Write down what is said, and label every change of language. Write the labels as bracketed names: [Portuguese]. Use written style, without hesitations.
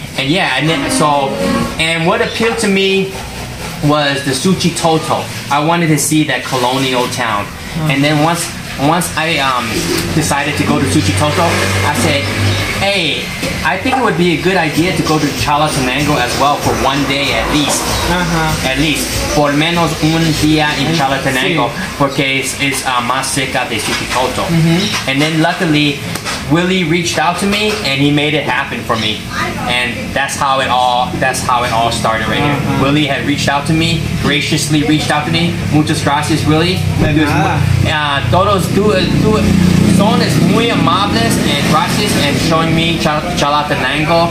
[English] And yeah, and then, and what appealed to me was the Suchitoto. I wanted to see that colonial town. And then once I decided to go to Suchitoto, I said, hey, I think it would be a good idea to go to Chalatenango as well for one day at least. At least. [Spanish] Por menos un día en Chalatenango, porque es más cerca de Suchitoto. [English] And then luckily, Willie reached out to me and he made it happen for me. And that's how it all started right here. Willie had reached out to me, graciously reached out to me. [Spanish] Muchas gracias, Willie. Todos tú son muy amables and gracias [English] and showing me [Spanish] Chalatenango.